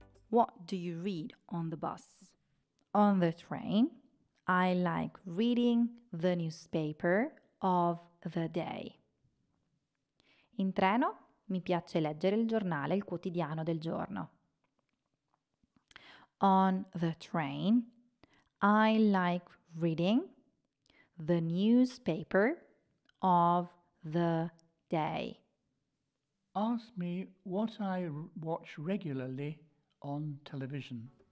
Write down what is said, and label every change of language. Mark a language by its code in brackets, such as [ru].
[en] What do you read on the bus? On the train, I like reading the newspaper of the day. [it] In treno, mi piace leggere il giornale, il quotidiano del giorno. [en] On the train, I like reading the newspaper of the day. Ask me what I watch regularly on television.